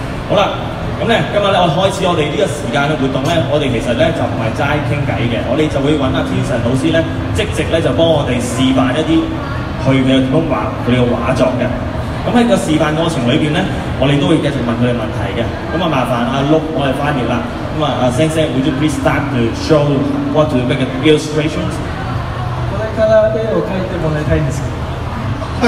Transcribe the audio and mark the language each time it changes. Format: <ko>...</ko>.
<yue>好了，今天我開始我們這個時間的活動呢，我們其實呢就不是齋傾偈的，我們就會找天神老師呢積極呢就幫我們示範一些他的動畫、他的畫作的。那在這個示範過程裡面呢，我們都會繼續問他們問題的。那麻煩陸我們翻譯了。</yue> <en>Sensei, would you please start to show what to make an illustration?</en> <ja>これから絵を描いてもらいたいんですか？</ja>